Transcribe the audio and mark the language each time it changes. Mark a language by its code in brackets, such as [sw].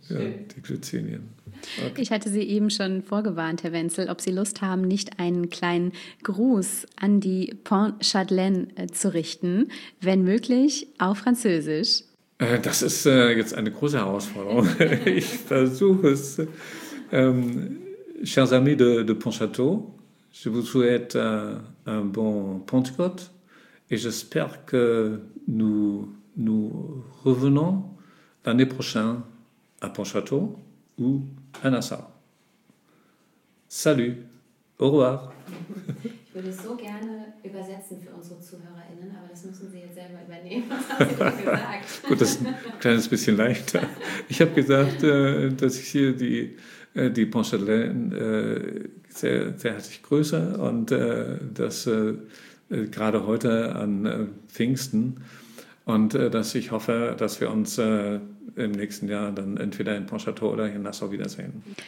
[de] Ja, die Glycinien. Okay. Ich hatte Sie eben schon vorgewarnt, Herr Wenzel, ob Sie Lust haben, nicht einen kleinen Gruß an die Pont-Chadelaine zu richten, wenn möglich auf Französisch. Das ist jetzt eine große Herausforderung. Ich versuche es. [fr] Chers amis de Pont-Château, je vous souhaite un bon Pentecôte et j'espère que nous revenons l'année prochaine à Pont-Château ou à Nassau. Salut, au revoir. [de] Ich würde es so gerne übersetzen für unsere ZuhörerInnen, aber das müssen Sie jetzt selber übernehmen, was Sie gesagt. Gut, das ist ein kleines bisschen leichter. Ich habe gesagt, dass ich hier die Pont-Chadelaine sehr, sehr herzlich grüße und dass gerade heute an Pfingsten und dass ich hoffe, dass wir uns im nächsten Jahr dann entweder in Pont-Château oder in Nassau wiedersehen.